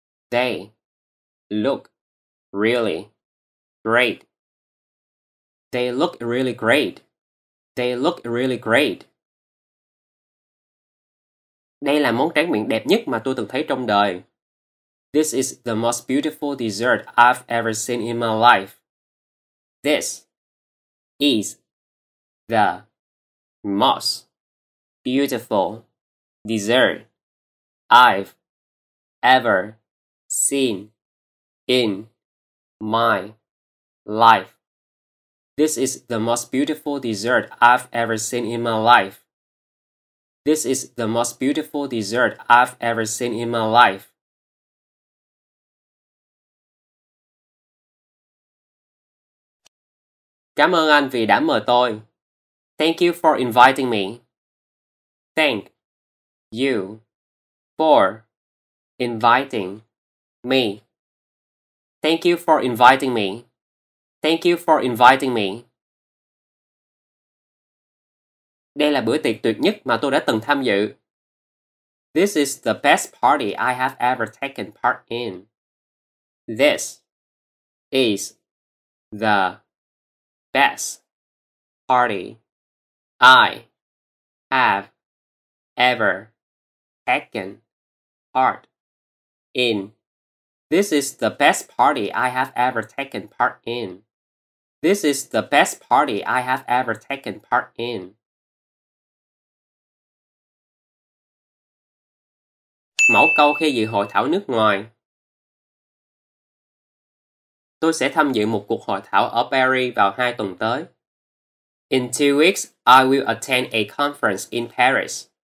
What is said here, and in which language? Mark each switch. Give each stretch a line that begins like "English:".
English: They look really great. They look really great. They look really great.
Vietnamese: Đây là món tráng miệng đẹp nhất mà tôi từng thấy trong đời.
English: This is the most beautiful dessert I've ever seen in my life. This is the most beautiful dessert I've ever seen in my life. This is the most beautiful dessert I've ever seen in my life. This is the most beautiful dessert I've ever seen in my life.
Vietnamese: Cảm ơn anh vì đã mời tôi.
English: Thank you for inviting me. Thank you for inviting me. Thank you for inviting me. Thank you for inviting me.
Vietnamese: Đây là bữa tiệc tuyệt nhất mà tôi đã từng tham dự.
English: This is the best party I have ever taken part in. This is the best party I have ever taken part in. This is the best party I have ever taken part in. This is the best party I have ever taken part in.
Vietnamese: Mẫu câu khi dự hội thảo nước ngoài. Tôi sẽ tham dự một cuộc hội thảo ở Paris vào 2 tuần tới.
English: In 2 weeks, I will attend a conference in Paris.